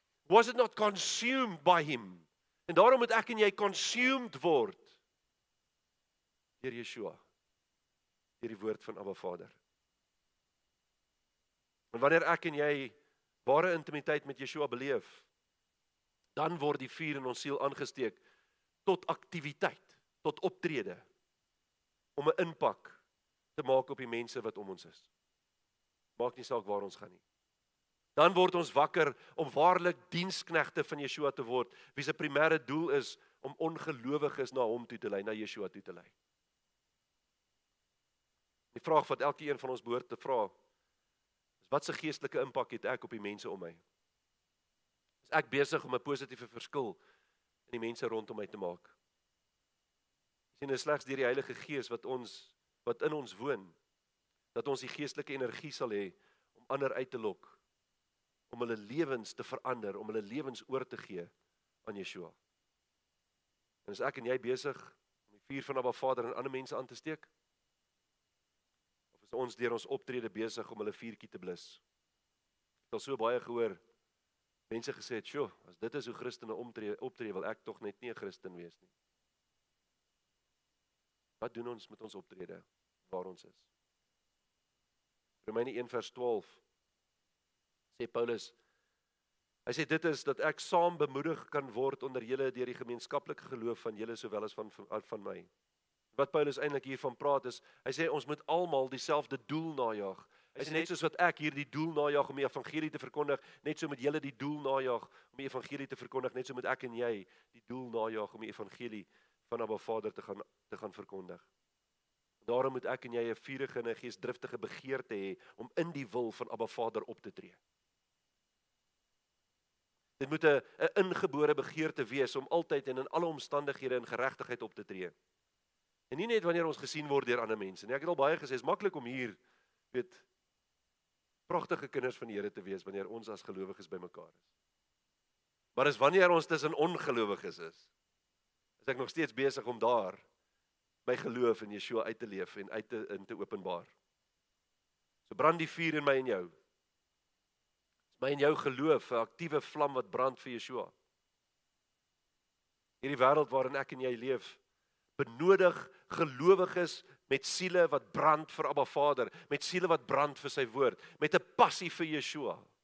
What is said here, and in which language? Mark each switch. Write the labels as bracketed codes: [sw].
[en] Was it not consumed by him? [af] En daarom moet ek en jy consumed word, deur Yeshua, deur die woord van Abba Vader. En wanneer ek en jy ware intimiteit met Yeshua beleef, dan word die vuur in ons siel aangesteek tot aktiwiteit, tot optrede, om 'n impak te maak op die mense wat om ons is. Maak nie saak waar ons gaan nie. Dan word ons wakker om waarlik diensknegte van Yeshua te word, wie se primêre doel is om ongelowiges na hom toe te lei, na Yeshua toe te lei. Die vraag wat elke een van ons behoort te vra, is watse geestelike impak het ek op die mense om my? Is ek besig om 'n positiewe verskil in die mense rondom my te maak? Sien, is slegs deur die Heilige Gees wat ons wat in ons woon, dat ons die geestelike energie sal hê om ander uit te lok, om hulle lewens te verander, om hulle lewens oor te gee aan Yeshua. En is ek en jy besig om die vuur van Abba Vader en ander mense aan te steek? Of is ons deur ons optrede besig om hulle vuurtjie te blus? Ek het so baie gehoor, mense gesê het, "Sjoe, as dit is hoe Christene optree, wil ek tog net nie 'n Christen wees nie." Wat doen ons met ons optrede waar ons is? Romeine 1 vers 12 sê Paulus, hy sê dit is dat ek saam bemoedig kan word onder julle deur die gemeenskaplike geloof van julle sowel as van my. Wat Paulus eintlik hiervan praat is, hy sê ons moet almal dieselfde doel najag. Hy sê net soos wat ek hier die doel najag om die evangelie te verkondig, net so moet julle die doel najag om die evangelie te verkondig, net so moet ek en jy die doel najag om die evangelie van Abba Vader te gaan verkondig. Daarom moet ek en jy 'n vurige en 'n geesdriftige begeerte hê om in die wil van Abba Vader op te tree. Dit moet 'n ingebore begeerte wees om altyd en in alle omstandighede in geregtigheid op te tree. En nie net wanneer ons gesien word deur ander mense nie. Ek het al baie gesê, is maklik om hier weet pragtige kinders van die Here te wees wanneer ons as gelowiges bymekaar is. Maar is wanneer ons tussen ongelowiges is, ek nog steeds besig om daar my geloof in Yeshua uit te leef en in te openbaar. So brand die vuur in my en jou. Is my en jou geloof 'n aktiewe vlam wat brand vir Yeshua. Hierdie wêreld waarin ek en jy leef, benodig gelowiges met siele wat brand vir Abba Vader, met siele wat brand vir sy woord, met 'n passie vir Yeshua.